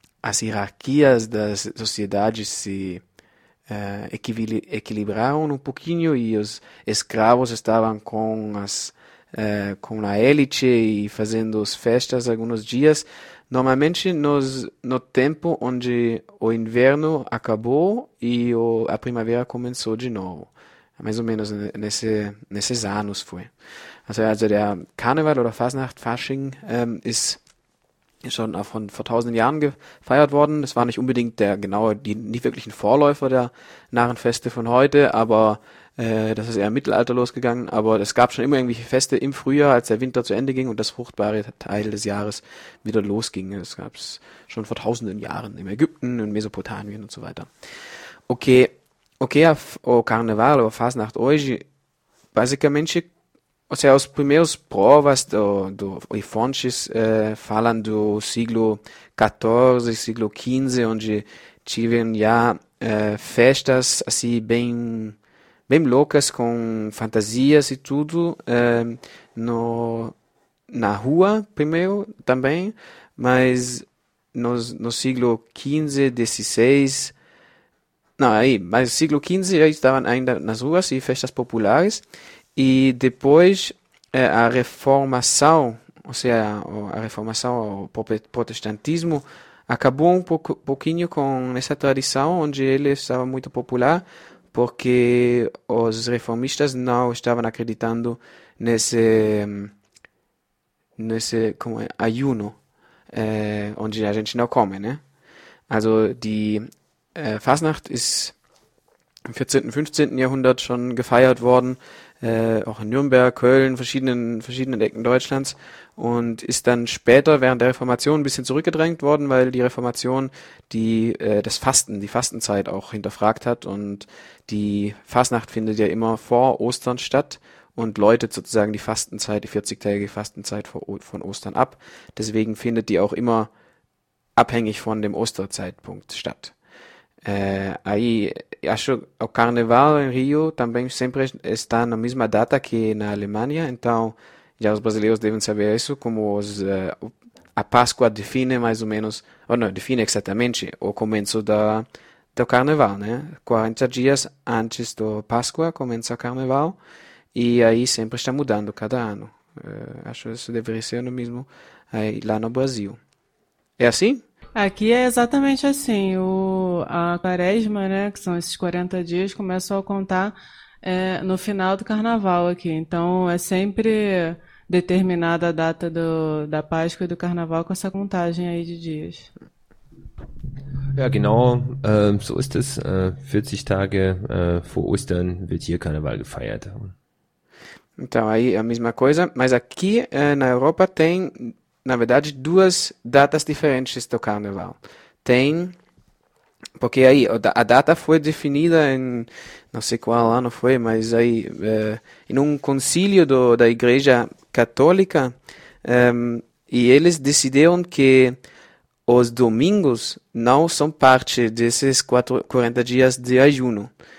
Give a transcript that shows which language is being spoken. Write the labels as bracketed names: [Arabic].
[Portuguese] as hierarquias da sociedade se equilibraram um pouquinho e os escravos estavam com a hélice e fazendo as festas alguns dias. Normalmente no tempo onde o inverno acabou e a primavera começou de novo. Mais ou menos nesses anos foi. [German] Also der Karneval oder Fasnacht, Fasching, ist schon vor tausenden Jahren gefeiert worden. Das war nicht unbedingt der genaue, die nicht wirklichen Vorläufer der Narrenfeste von heute, aber das ist eher im Mittelalter losgegangen. Aber es gab schon immer irgendwelche Feste im Frühjahr, als der Winter zu Ende ging und das fruchtbare Teil des Jahres wieder losging. Das gab es schon vor tausenden Jahren im Ägypten und Mesopotamien und so weiter. [Portuguese] Okay, o Carnaval, o Fasnacht hoje, basicamente, ou seja, as primeiras provas e fontes falam do século XIV, século XV, onde tiveram já festas assim bem loucas, com fantasias e tudo, no, na rua primeiro também, mas no século XV, XVI. Não, aí, mas no século XV eles estavam ainda nas ruas e festas populares. E depois a Reformação, ou seja, a Reformação, o protestantismo, acabou um pouquinho com essa tradição onde ele estava muito popular, porque os reformistas não estavam acreditando nesse como é, ayuno, onde a gente não come, né? [German] Also, Fasnacht ist im 14., 15. Jahrhundert schon gefeiert worden, auch in Nürnberg, Köln, verschiedenen Ecken Deutschlands und ist dann später während der Reformation ein bisschen zurückgedrängt worden, weil die Reformation die Fastenzeit auch hinterfragt hat und die Fasnacht findet ja immer vor Ostern statt und läutet sozusagen die Fastenzeit, die 40-tägige Fastenzeit von Ostern ab. Deswegen findet die auch immer abhängig von dem Osterzeitpunkt statt. [Portuguese] Aí, acho o Carnaval em Rio também sempre está na mesma data que na Alemanha, então já os brasileiros devem saber isso, como a Páscoa define mais ou menos, ou não, define exatamente o começo do Carnaval, né? 40 dias antes do Páscoa começa o Carnaval e aí sempre está mudando cada ano. Acho isso deveria ser no mesmo aí, lá no Brasil. É assim? Aqui é exatamente assim, a quaresma, né, que são esses 40 dias, começou a contar no final do carnaval aqui. Então é sempre determinada a data da Páscoa e do carnaval com essa contagem aí de dias. [German] Ja, genau, so ist es. 40 Tage vor Ostern wird hier Karneval gefeiert. [Portuguese] Então aí é a mesma coisa, mas aqui na Europa tem. Na verdade, duas datas diferentes do Carnaval. Tem, porque aí a data foi definida em, não sei qual ano foi, mas aí em um concílio da Igreja Católica, e eles decidiram que os domingos não são parte desses 40 dias de ayuno.